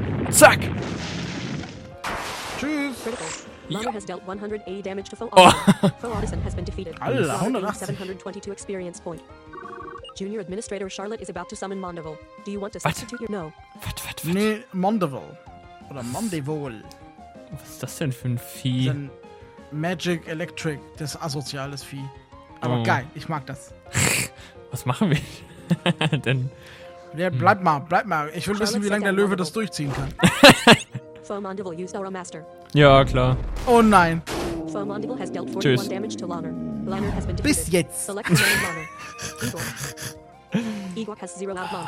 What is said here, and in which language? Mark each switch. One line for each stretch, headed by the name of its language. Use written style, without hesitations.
German: Zack.
English: Choose. Critical. Loner has dealt 180 damage to Faux Audison. Oh. Faux Audison has been defeated. Alter, 180. 722 experience point. Junior Administrator Charlotte is about to summon Mondeville. Do you want to substitute what? Your... No. What?
German: Nee, Mondeville. Oder Mondeville. Was ist das denn für ein Vieh? Das ist ein Magic Electric, das asoziales Vieh. Aber oh. Geil, ich mag das. Was machen wir denn? Ja, bleib mal, bleib mal. Ich will wissen, wie lange der Löwe das durchziehen kann.
English: Faux Mondeville used Aura Master.
German: Ja, klar. Oh nein.
English: Faux Mondeville has dealt 41 tschüss. Damage to Loner. Loner has been defeated.
German: Bis jetzt.
English: Select Loner. Igor. Igor has zero loud Loner.